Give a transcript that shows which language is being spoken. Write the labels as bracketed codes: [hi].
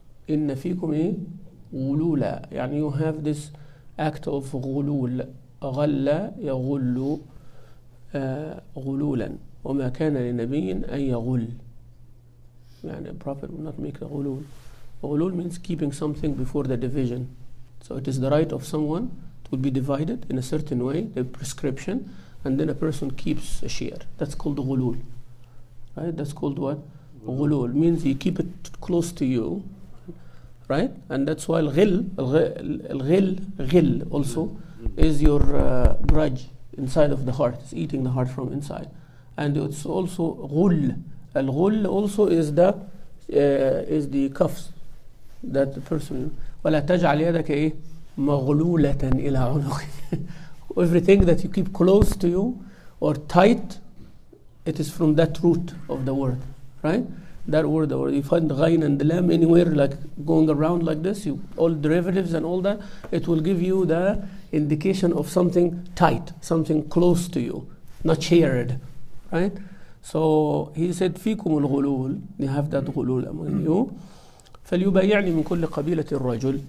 [ar] إن فيكم غلولا, يعني you have this act of غلول. غل يغل غلولا. وما كان لنبي أن يغل, يعني a prophet will not make a غلول. [en] غلول means keeping something before the division. So it is the right of someone to be divided in a certain way, the prescription, and then a person keeps a share. That's called غلول. Right? That's called what? غلول means you keep it close to you, right? And that's why الغل also is your grudge inside of the heart. It's eating the heart from inside. And it's also غل. الغل also is the cuffs that the person. [ar] ولا تجعل يدك مغلولة إلى عنق. [en] Everything that you keep close to you or tight, it is from that root of the word, right? That word, or you find غين and لام anywhere, like going around like this, you, all derivatives and all that, it will give you the indication of something tight, something close to you, not shared. Right? So he said, فيكم الغلول, you have that غلول among you. [ar] فليبايعني من كل قبيلة الرجل.